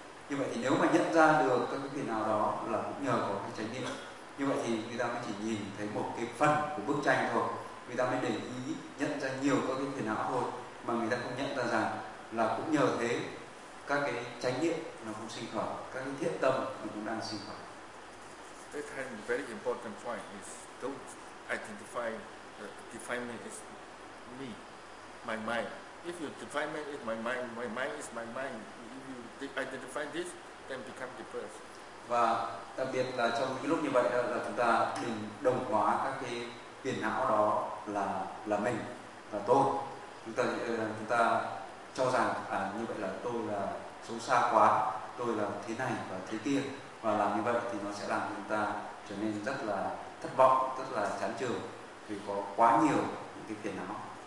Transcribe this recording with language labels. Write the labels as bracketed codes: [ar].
[vi] Như vậy thì nếu mà nhận ra được các cái phiền não đó là cũng nhờ có cái chánh niệm. Như vậy thì người ta mới chỉ nhìn thấy một cái phần của bức tranh thôi. Người ta mới để ý nhận ra nhiều các cái phiền não thôi, mà người ta không nhận ra rằng là cũng nhờ thế các cái chánh niệm nó cũng sinh khởi, các cái thiện tâm nó cũng đang sinh khởi. [en] That time, very important point is don't identify the defilement is me, my mind. If your defilement is my mind is my mind. If you identify this, then become depressed. [vi] Và đặc biệt là trong cái lúc như vậy là chúng ta đừng đồng hóa các cái phiền não đó là mình, là tôi. Chúng ta cho rằng như vậy là tôi là xấu xa quá, tôi là thế này và thế kia, và làm như vậy thì nó sẽ làm chúng ta trở nên rất là thất vọng, rất là chán chường vì có quá nhiều những cái phiền não.